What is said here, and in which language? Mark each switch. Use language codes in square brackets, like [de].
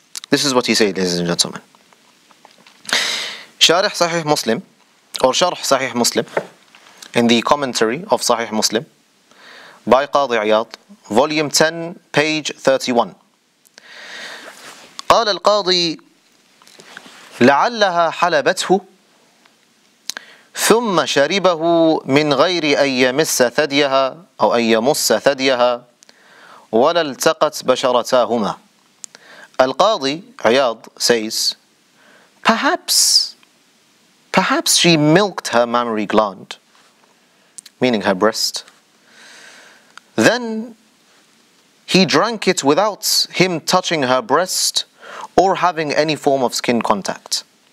[en] This is what he said, ladies and gentlemen. Sharh Sahih Muslim, or Sharh Sahih Muslim, in the commentary of Sahih Muslim, by Qadi Iyad, volume 10, page 31. [ar] قال القاضي لعلها حلبته ثم شربه من غير أن يمس ثديها أو أن يمس ثديها ولا التقت بشرتاهما. [en] القاضي عياض says, perhaps she milked her mammary gland, meaning her breast. Then he drank it without him touching her breast or having any form of skin contact.